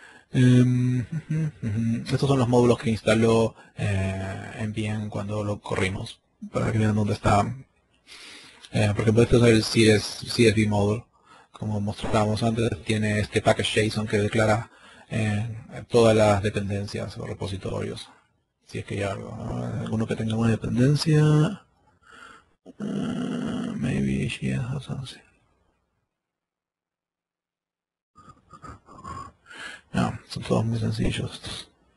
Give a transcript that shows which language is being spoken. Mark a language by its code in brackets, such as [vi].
[es] Estos son los módulos que instaló NPM cuando lo corrimos, para que vean dónde está. Porque puedes usar el CSV module como mostrábamos antes, tiene este package JSON que declara todas las dependencias o repositorios, si es que hay algo, ¿no? Alguno que tenga una dependencia. [en] Maybe she has something. [es] No, son todos muy sencillos.